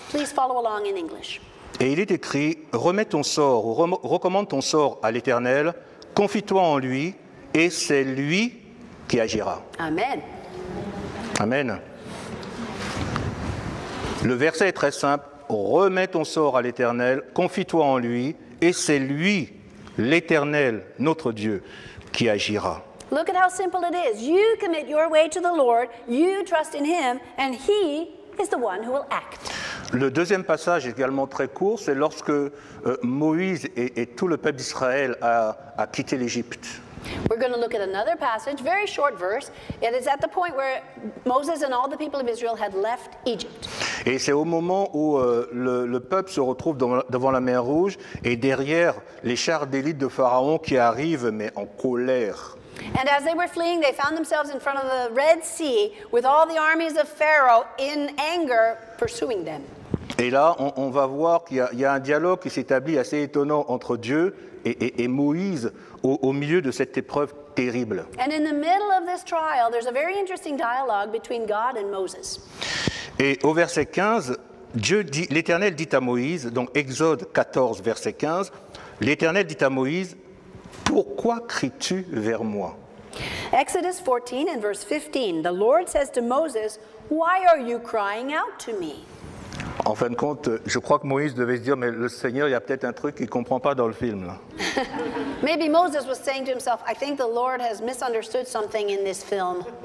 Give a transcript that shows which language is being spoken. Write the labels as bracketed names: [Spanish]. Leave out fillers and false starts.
[English] Please follow along in English. [French] Et il est écrit, remets ton sort, ou recommande ton sort à l'Éternel, confie-toi en lui, et c'est lui qui agira. Amen. Amen. Le verset est très simple. Remets ton sort à l'Éternel, confie-toi en lui, et c'est lui, l'Éternel, notre Dieu, qui agira. [English] Look at how simple it is. You commit your way to the Lord, you trust in him, and he is the one who will act. [French] Le deuxième passage est également très court, c'est lorsque Moïse et tout le peuple d'Israël a quitté l'Égypte. [English] We're going to look at another passage, very short verse. It is at the point where Moses and all the people of Israel had left Egypt. [French] Et c'est au moment où le peuple se retrouve devant la mer Rouge et derrière les chars d'élite de Pharaon qui arrivent, mais en colère. [English] And as they were fleeing, they found themselves in front of the Red Sea with all the armies of Pharaoh in anger pursuing them. [French] Et là, on va voir qu'il y a un dialogue qui s'établit assez étonnant entre Dieu et Moïse au milieu de cette épreuve terrible. [English] And in the middle of this trial, there's a very interesting dialogue between God and Moses. [French] Et au verset 15, l'Éternel dit à Moïse, donc Exode 14, verset 15, l'Éternel dit à Moïse, pourquoi cries-tu vers moi? [English] Exodus 14, and verse 15, the Lord says to Moses, why are you crying out to me? [French] En fin de compte, je crois que Moïse devait se dire, mais le Seigneur, il y a peut-être un truc qu'il ne comprend pas dans le film. [English] Maybe Moses was saying to himself, I think the Lord has misunderstood something in this film.